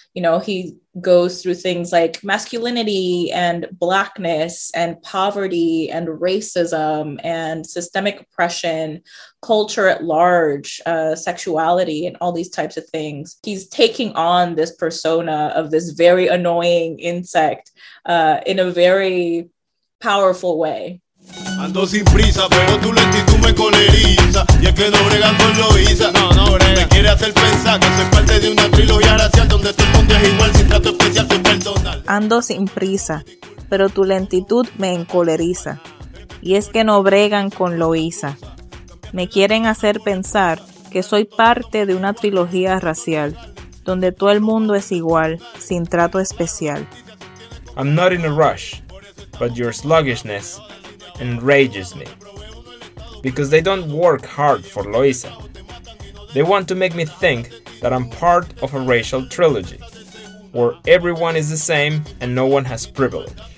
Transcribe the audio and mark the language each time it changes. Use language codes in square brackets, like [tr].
[en] You know, he goes through things like masculinity and blackness and poverty and racism and systemic oppression, culture at large, sexuality, and all these types of things. He's taking on this persona of this very annoying insect in a very powerful way. [es] Ando sin prisa, pero tu lentitud me coleriza. Y es que no bregando en Loíza, no, no brega. Me quiere hacer pensar que soy parte de una trilogía racial donde todo el mundo es igual, sin trato especial, soy personal. Ando sin prisa, pero tu lentitud me encoleriza. Y es que no bregan con Loíza. Me quieren hacer pensar que soy parte de una trilogía racial donde todo el mundo es igual, sin trato especial. [en] I'm not in a rush, but your sluggishness enrages me, because they don't work hard for Loíza. They want to make me think that I'm part of a racial trilogy, where everyone is the same and no one has privilege.